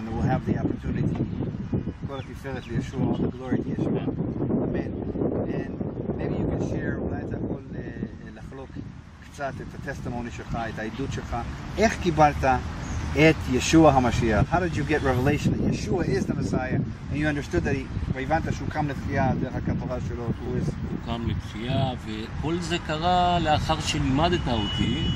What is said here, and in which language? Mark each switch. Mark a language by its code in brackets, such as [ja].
[en] We will have the opportunity. [he] כל התפארת לישוע, [en] all the glory to Yeshua. Amen. And maybe you can share, [he] אולי אתה יכול לחלוק קצת את הטסטמוני שלך, את העדות שלך. איך קיבלת et Yeshua HaMashiach. [en] How did you get revelation that Yeshua is the Messiah, and you understood that he [he] הבנת שהוא קם לתחייה דרך הקבלה שלו, [en] who is? [he] הוא קם לתחייה, וכל זה קרה לאחר שלימדת אותי.